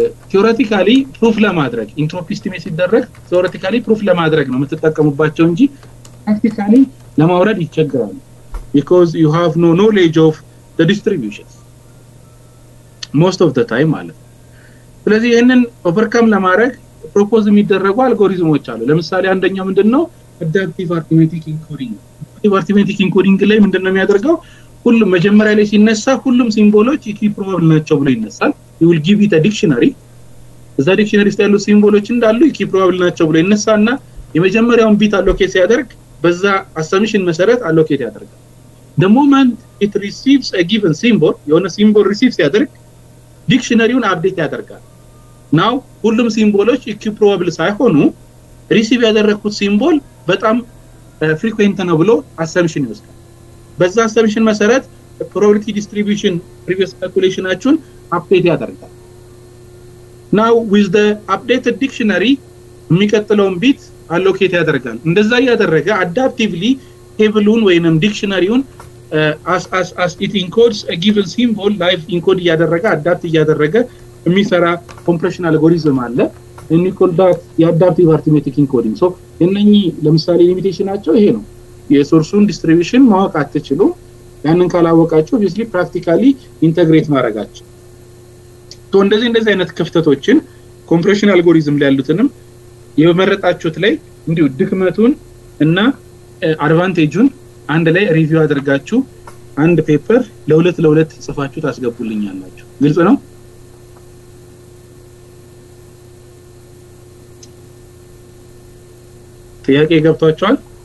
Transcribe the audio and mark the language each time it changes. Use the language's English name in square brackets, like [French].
[Amharic] theoretically proof ለማድረግ entropy estimate ሲደረግ theoretically proof ለማድረግ ነው የምትጠቀሙባቸው እንጂ practically ለማውረድ ይቸግራል። [English] because you have no knowledge of the distributions most of the time [Amharic] አለ። ስለዚህ ይሄንን overcome ለማድረግ propose የሚደረጉ አልጎሪዝሞች አሉ። ለምሳሌ አንደኛው ምንድነው? adaptive arithmetic encoding አርቲሜቲክ ኢንኮዲንግ ላይ ምንድነው የሚያደርገው? ሁሉም መጀመሪያ ላይ ሲነሳ ሁሉም ሲምቦሎች ኢኪ ፕሮባብል ናቸው ብሎ ይነሳል። [English] ዩ ዊል ጊቭ ኢት አ ዲክሽነሪ [Amharic] እዛ ዲክሽነሪ ውስጥ ያሉ ሲምቦሎች እንዳሉ ኢኪ ፕሮባብል ናቸው ብሎ ይነሳና የመጀመሪያውን ቢት አሎኬት ያደርግ በዛ አሳምሽን መሰረት አሎኬት ያደርጋል። [English] ዘ ሞመንት ኢት ሪሲቭስ አ ጊቨን ሲምቦል [Amharic] የሆነ ሲምቦል ሪሲቭስ ያደርግ ዲክሽነሪውን አፕዴት ያደርጋል። ናው ሁሉም ሲምቦሎች ኢኪ ፕሮባብል ሳይሆኑ ሪሲቭ ያደረኩት ሲምቦል በጣም frequent ነው ብሎ assumption ይወስዳል። በዛ assumption መሰረት probability distribution previous calculation አቹን update ያደርጋል። [English] now with the updated dictionary [Amharic] የሚከተለውን bit allocate ያደርጋል። እንደዛ ያደረገ adaptively table-ን ወይንም dictionary-ውን [English] as it encodes a given symbol [Amharic] live encode ያደረጋ adapt ያደረጋ የሚሰራ ኮምፕሬሽን አልጎሪዝም አለ [English] and you call that the adaptive arithmetic encoding. [Amharic] So እነኚ ለምሳሌ ሊሚቴሽን አቸው ይሄ ነው የሶርሱን ዲስትሪቢዩሽን ማወቅ አትችሉ ያንን ካላወቃችሁ obviously practically integrate ማረጋችሁ ቶ እንደዚህ እንደዚህ አይነት ክፍተቶችን ኮምፕሬሽን አልጎሪዝም ላይ ያሉትንም የመረጣችሁት ላይ እንዲው ድክመቱን እና አድቫንቴጁን አንድ ላይ ሪቪው አድርጋችሁ አንድ ፔፐር ለሁለት ለሁለት ጽፋችሁ ታስገቡልኛላችሁ ግልጽ ነው ጥያቄ ገብቷችኋል